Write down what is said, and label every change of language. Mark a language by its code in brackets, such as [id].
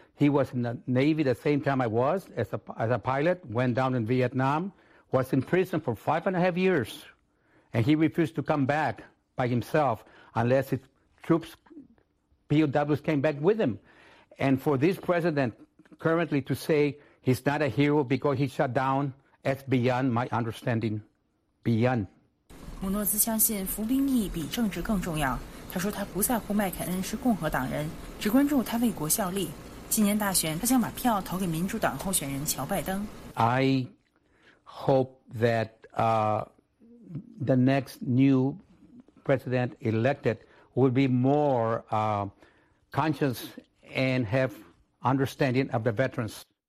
[en] He was in the Navy the same time I was as a pilot, went down in Vietnam, was in prison for 5.5 years, and he refused to come back by himself unless his troops, POWs, came back with him. And for this president currently to say he's not a hero because he shut down, that's beyond my understanding. Beyond. [zh] 姆诺兹相信服兵役比政治更重要。他说他不在乎麦肯恩是共和党人，只关注他为国效力。今年大选，他想把票投给民主党候选人乔拜登。 [en] I hope that the next new president elected will be more conscious and have understanding of the veterans.